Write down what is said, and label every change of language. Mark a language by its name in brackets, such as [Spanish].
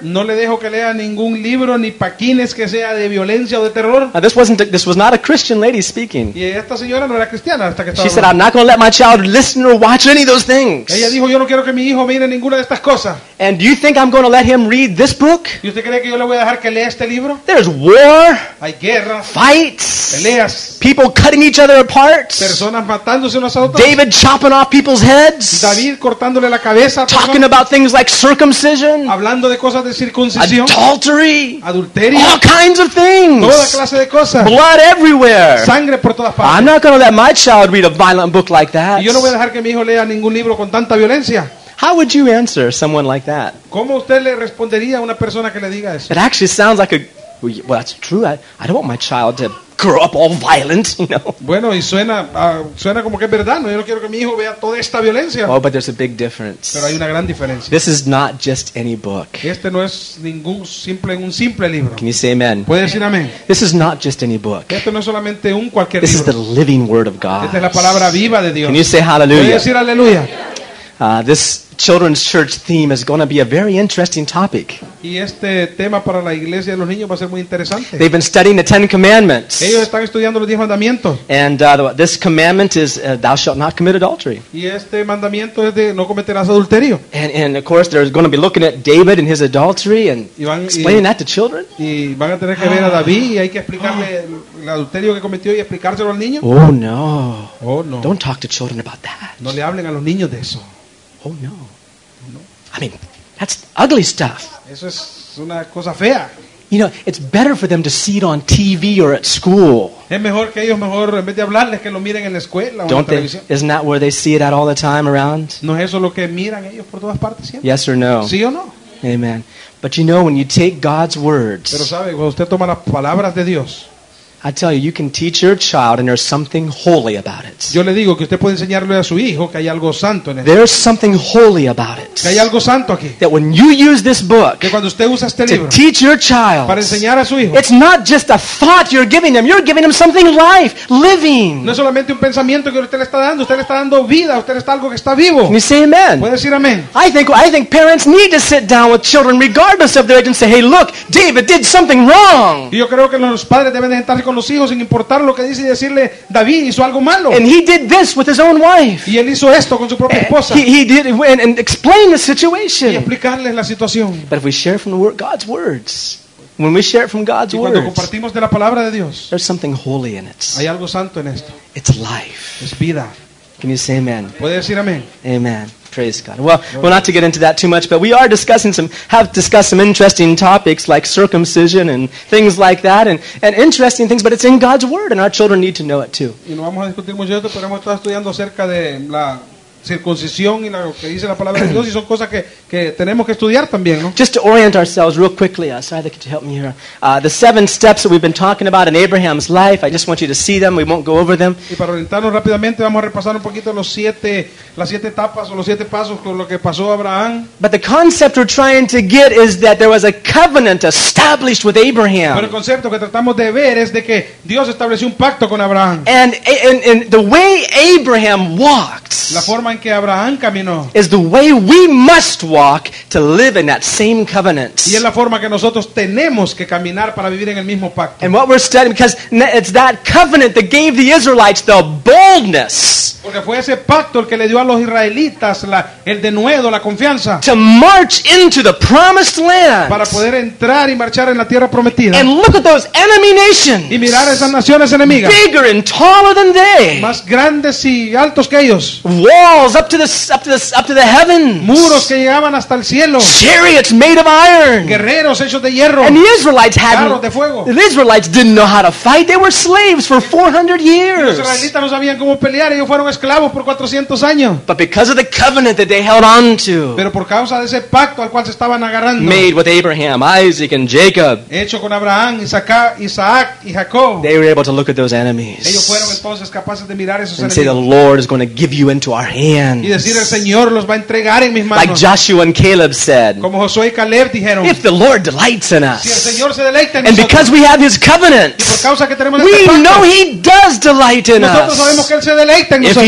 [Spanish] No le dejo que lea ningún libro ni paquines que sea de violencia o de terror. [English] Now, this was not a Christian lady speaking. [Spanish] Y esta señora no era cristiana hasta que estaba. [English] She said, I'm not going to let my child listen or watch any of those things. [Spanish] Ella dijo, yo no quiero que mi hijo mire ninguna de estas cosas. [English] And do you think I'm going to let him read this book? [Spanish] ¿Y usted cree que yo le voy a dejar que lea este libro? [English] There's war. [Spanish] Hay guerras. [English] Fights. [Spanish] Peleas. [English] People cutting each other apart. [Spanish] Personas matándose unos a otros. [English] David chopping off people's heads. [Spanish] David cortándole la cabeza. [English] Talking about things like circumcision. [Spanish] Hablando de cosas de circuncisión. [English] Adultery. [Spanish] Adulterio. [English] All kinds of things. [Spanish] Toda clase de cosas. [English] Blood everywhere. [Spanish] Sangre por todas partes. [English] I'm not going to let my child read a violent book like that. [Spanish] Y yo no voy a dejar que mi hijo lea ningún libro con tanta violencia. [English] How would you answer someone like that? [Spanish] ¿Cómo usted le respondería a una persona que le diga eso? [English] It actually sounds like well, that's true. I don't want my child to grow up all violent, you know. [Spanish] Bueno, y suena como que es verdad, ¿no? Yo no quiero que mi hijo vea toda esta violencia. [English] Oh, but there's a big difference. [Spanish] Pero hay una gran diferencia. [English] This is not just any book. [Spanish] Este no es un simple libro. [English] Can you say amen? [Spanish] ¿Puedes decir amén? [English] This is not just any book. [Spanish] Esto no es solamente un cualquier [English] this [Spanish] libro. [English] This is the living word of God. [Spanish] Esta es la palabra viva de Dios. [English] Can you say hallelujah? [Spanish] ¿Puedes decir aleluya? [English] This children's church theme is going to be a very interesting topic. [Spanish] Y este tema para la iglesia de los niños va a ser muy interesante. [English] They've been studying the Ten Commandments. [Spanish] Ellos están estudiando los 10 mandamientos. [English] And this commandment is thou shalt not commit adultery. [Spanish] Y este mandamiento es de no cometerás adulterio. [English] And of course they're going to be looking at David and his adultery and explaining that to children. [Spanish] Y van a tener que ver a David y hay que explicarle el adulterio que cometió y explicárselo al niño. [English] Oh no. [Spanish] Oh no. [English] Don't talk to children about that. [Spanish] No le hablen a los niños de eso. [English] Oh no. I mean, that's ugly stuff. [Spanish] Eso es una cosa fea. [English] You know, it's better for them to see it on TV or at school. [Spanish] Es mejor que ellos mejor en vez de hablarles que lo miren en la escuela o en la televisión. [English] Isn't that where they see it at all the time around? [Spanish] ¿No es eso lo que miran ellos por todas partes siempre? [English] Yes or no? [Spanish] ¿Sí o no? [English] Amen. But you know, when you take God's words, [Spanish] pero sabe, cuando usted toma las palabras de Dios, [English] I tell you, you can teach your child and there's something holy about it. [Spanish] Yo le digo que usted puede enseñarle a su hijo que hay algo santo en él. [English] There's something holy about it. [Spanish] Que hay algo santo aquí. [English] That when you use this book, [Spanish] que cuando usted usa este libro, [English] to teach your child, [Spanish] para enseñar a su hijo, [English] it's not just a thought you're giving them. You're giving them something life, living. [Spanish] No es solamente un pensamiento que usted le está dando. Usted le está dando vida. Usted le está algo que está vivo. [English] Can you say amen? [Spanish] ¿Puede decir amén? [English] I think parents need to sit down with children, regardless of their age, and say, hey, look, David did something wrong. [Spanish] Y yo creo que los padres deben de estar con los hijos sin importar lo que dice y decirle David hizo algo malo. [English] And he did this with his own wife. [Spanish] Y él hizo esto con su propia esposa. [English] He did and explain the situation. [Spanish] Y explicarles la situación. [English] But if we share from the word, God's words, when we share from God's [Spanish] y cuando [English] words, [Spanish] compartimos de la palabra de Dios, [English] there's something holy in it. [Spanish] Hay algo santo en esto. [English] It's life. [Spanish] Es vida. [English] Can you say amen? [Spanish] ¿Puede decir amén? [English] Amen. Praise God. Well, well, not to get into that too much, but we are discussing some, have discussed some interesting topics like circumcision and things like that, and interesting things, but it's in God's Word, and our children need to know it too. [Spanish] Y no vamos a discutir mucho de esto, pero hemos estado estudiando acerca de la circuncisión y lo que dice la palabra de Dios, y son cosas que tenemos que estudiar también, ¿no? [English] Just to orient ourselves real quickly, sorry, could you help me here? The seven steps that we've been talking about in Abraham's life, I just want you to see them, we won't go over them. [Spanish] Y para orientarnos rápidamente, vamos a repasar un poquito las siete etapas o los siete pasos con lo que pasó Abraham. [English] But the concept we're trying to get is that there was a covenant established with Abraham. [Spanish] Pero el concepto que tratamos de ver es de que Dios estableció un pacto con Abraham. [English] And the way Abraham walked, [Spanish] la forma en que Abraham caminó, [English] is the way we must walk to live in that same covenant. [Spanish] Y es la forma que nosotros tenemos que caminar para vivir en el mismo pacto. [English] And what we're studying, because it's that covenant that gave the Israelites the boldness, [Spanish] porque fue ese pacto el que le dio a los israelitas el denuedo, la confianza, [English] to march into the promised land, [Spanish] para poder entrar y marchar en la tierra prometida. [English] And look at those enemy nations, [Spanish] y mirar a esas naciones enemigas, [English] bigger and taller than they, [Spanish] más grandes y altos que ellos, [English] walls up to the heavens, [Spanish] muros que llegaban hasta el cielo, [English] chariots made of iron, [Spanish] guerreros hechos de hierro. [English] And the Israelites had [Spanish] carros de fuego. [English] The Israelites didn't know how to fight. They were slaves for 400 years. [Spanish] Los israelitas no sabían cómo pelear. Ellos fueron esclavos por 400 años. [English] But because of the covenant that they held on to, [Spanish] pero por causa de ese pacto al cual se estaban agarrando, [English] made with Abraham, Isaac, and Jacob, [Spanish] hecho con Abraham, Isaac, y Jacob, [English] they were able to look at those enemies. [Spanish] Ellos fueron entonces capaces de mirar esos [English] and [Spanish] enemigos. [English] Say, the Lord is going to give you into our hands. [Spanish] Y decir, el Señor los va a entregar en mis manos. [English] Like Joshua and Caleb said, [Spanish] como Josué y Caleb dijeron, [English] if the Lord delights in us, [Spanish] si el Señor se deleita en [English] and [Spanish] nosotros, [English] because we have His covenant, [Spanish] y por causa que tenemos [English] we [Spanish] este pacto, [English] know He does delight in [Spanish] nosotros Nosotros sabemos que Él se deleita en nosotros.